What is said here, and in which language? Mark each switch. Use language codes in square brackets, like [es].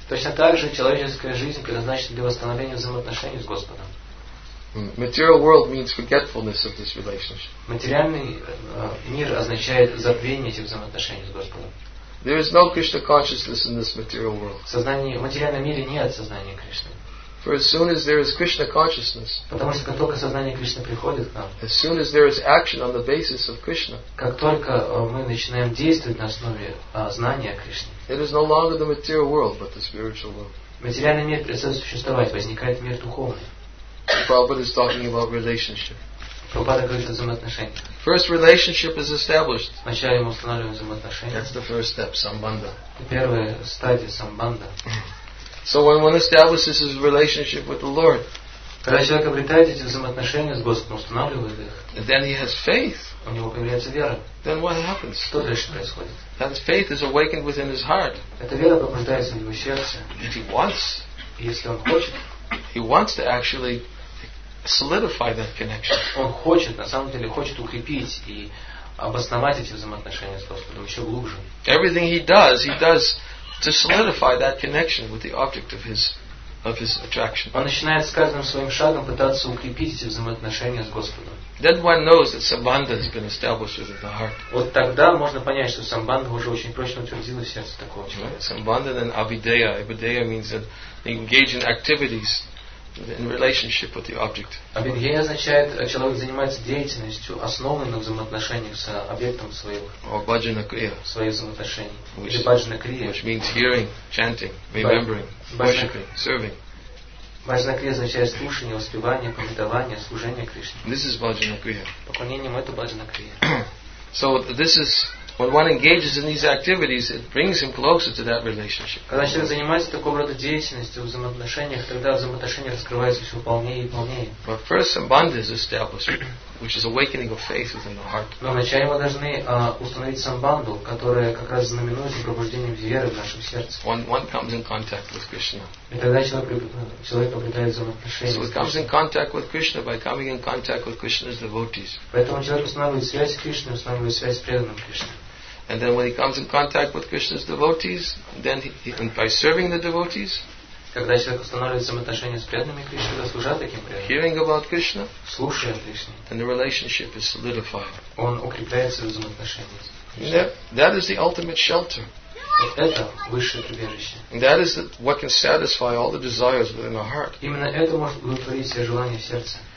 [en] Material world means forgetfulness of this relationship. There is no Krishna consciousness in this material world. For as soon as there is Krishna consciousness, [ru] потому что как только сознание Кришны приходит к нам, [en] as soon as there is action on the basis of Krishna, [ru] как только мы начинаем действовать на основе знания Кришны, [en] it is no longer the material world, but the spiritual world. [ru] Материальный мир перестает существовать, возникает мир духовный. [en] Prabhupada is talking about relationship. [ru] Prabhupada говорит о взаимоотношениях. [en] First relationship is established. [ru] Вначале мы устанавливаем взаимоотношения. [en] That's the first step, sambandha. [ru] Первая стадия самбанда. [en] So when one establishes his relationship with the Lord, [ru] когда человек обретает эти взаимоотношения с Господом, устанавливает их, [en] then he has faith. [ru] У него появляется вера. [en] Then what happens? [ru] Что дальше происходит? [en] That faith is awakened within his heart. [ru] Эта вера пробуждается в его сердце. [en] If he wants, [ru] если он хочет, [en] he wants to actually solidify that connection. [ru] Он хочет, на самом деле, хочет укрепить и обосновать эти взаимоотношения с Господом еще глубже. [en] Everything he does to solidify that connection with the object of his attraction. [ru] Он начинает с каждым своим шагом пытаться укрепить эти взаимоотношения с Господом. [en] Then one knows that sambandha has been established within the heart. [ru] Вот тогда можно понять, что самбанда уже очень прочно утвердилась в сердце такого человека. [en] Sambandha then abideya. Abideya means that they engage in activities in relationship with the object. [ru] Abideya означает, человек занимается деятельностью, основанной на взаимоотношениях с объектом своего. [en] Or bhajana kriya. [ru] Своих взаимоотношений. Или bhajana kriya. [en] Which means hearing, chanting, remembering, worshiping, serving. [ru] Bhajana kriya означает слушание, воспевание, памятование, служение Кришне. [en] This is bhajana kriya. [ru] Поклонением это bhajana kriya. [en] So this is when one engages in these activities, it brings him closer to that relationship. [ru] Когда человек занимается такого рода деятельностью в взаимоотношениях, тогда взаимоотношения раскрываются все полнее и полнее. [en] But first, sambandha is established, which is awakening of faith within the heart. [ru] Но вначале мы должны установить самбанду, которая как раз знаменуется пробуждением веры в нашем сердце. [en] One comes in contact with Krishna. [ru] И тогда человек обретает взаимоотношения. [en] So he comes in contact with Krishna by coming in contact with Krishna's devotees. [ru] Поэтому человек устанавливает связь с Кришной, устанавливает связь с преданным Кришной. [en] And then when he comes in contact with Krishna's devotees, then he by serving the devotees, [ru] когда человек устанавливает взаимоотношения с преданными Кришне, служа таким преданным, [en] hearing about Krishna, [ru] слушая Кришну, [en] then the relationship is solidified. [ru] Он укрепляется в взаимоотношениях. [en] That is the ultimate shelter. [ru] Вот это высшее прибежище. [en] That is what can satisfy all the desires within our heart. [ru] Именно это может удовлетворить все желания в сердце.